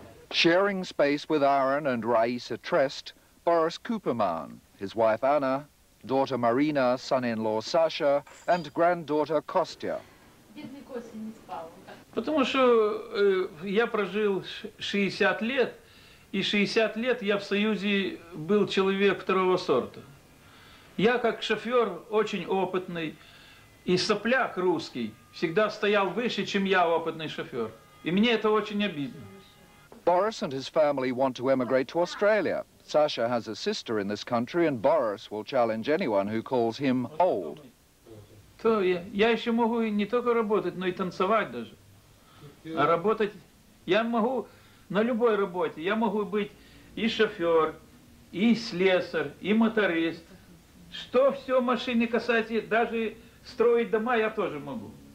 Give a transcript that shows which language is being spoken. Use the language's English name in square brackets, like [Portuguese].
[English] Sharing space with Aaron and Raisa Trest, Boris Kupermann, his wife Anna, daughter Marina, son-in-law Sasha, and granddaughter Kostya. [Russian] Потому что я прожил 60 лет, и 60 лет я в Союзе был человек второго сорта. Я как шофер очень опытный, и сопляк русский всегда стоял выше, чем я опытный шофер. И мне это очень обидно. [English] Boris and his family want to emigrate to Australia. Sasha has a sister in this country, and Boris will challenge anyone who calls him old. [Russian] То я еще могу не только работать, но и танцевать даже. А работать я могу на любой работе. Я могу быть и шофер, и слесарь, и моторист. Что все машины касается, даже строить дома я тоже могу.